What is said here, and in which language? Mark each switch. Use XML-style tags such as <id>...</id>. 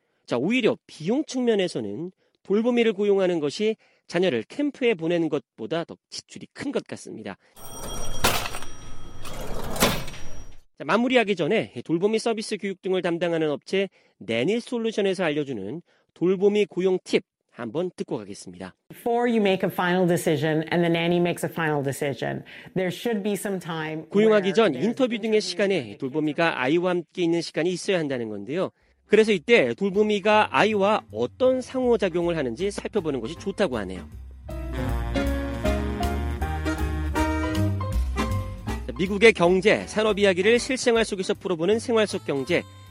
<ko>자, 오히려 비용 측면에서는 돌보미를 고용하는 것이 자녀를 캠프에 보내는 것보다 더 지출이 큰 것 같습니다. 자, 마무리하기 전에 돌보미 서비스 교육 등을 담당하는 업체 내니 솔루션에서 알려주는 돌보미 고용 팁 한번 듣고 가겠습니다.</ko> <en>Before you make a final decision and the nanny makes a final decision, there should be some time.</en> <ko>고용하기 전 인터뷰 등의 시간에 돌보미가 아이와 함께 있는 시간이 있어야 한다는 건데요. 그래서 이때 돌보미가 아이와 어떤 상호작용을 하는지 살펴보는 것이 좋다고 하네요. 미국의 경제, 산업 이야기를 실생활 속에서 풀어보는 생활 속 경제.</ko>